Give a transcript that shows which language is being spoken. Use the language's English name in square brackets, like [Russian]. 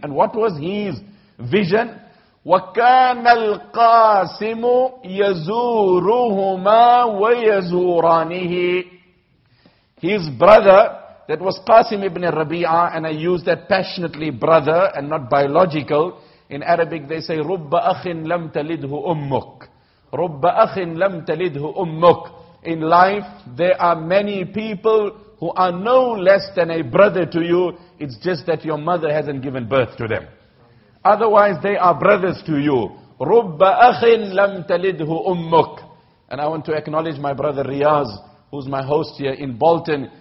[English] And what was his vision? [Arabic] وَكَانَ الْقَاسِمُ يَزُورُهُمَا وَيَزُورَانِهِ. [English] His brother, that was Qasim ibn Rabi'ah, and I use that passionately, brother, and not biological. In Arabic they say, [Arabic] رُبَّ أَخٍ لَمْ تَلِدْهُ أُمُّكَ. رُبَّ أَخٍ لَمْ تَلِدْهُ أُمُّكَ. [English] In life, there are many people who are no less than a brother to you. It's just that your mother hasn't given birth to them. Otherwise, they are brothers to you. [Arabic] رُبَّ أَخٍ لَمْ تَلِدْهُ أُمُّكَ. [English] And I want to acknowledge my brother Riyaz, who's my host here in Bolton.